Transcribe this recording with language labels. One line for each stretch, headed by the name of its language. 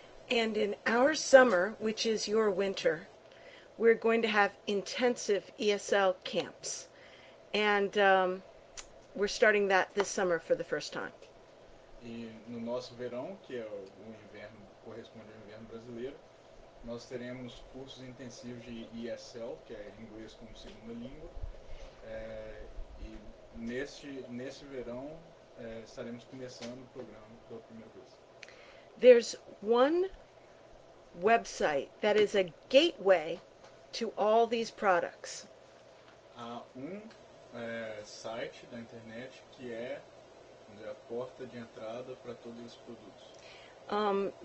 English: And in our summer, which is your winter, we're going to have intensive ESL camps. And we're starting that this summer for the first time.
Portuguese: E no nosso verão, que é o inverno, corresponde ao inverno brasileiro, nós teremos cursos intensivos de ESL, que é inglês como segunda língua, e neste verão estaremos começando o programa pela primeira vez.
English: There's one website that is a gateway to all these products.
Portuguese: Há um site da internet que é a porta de entrada para todos os produtos.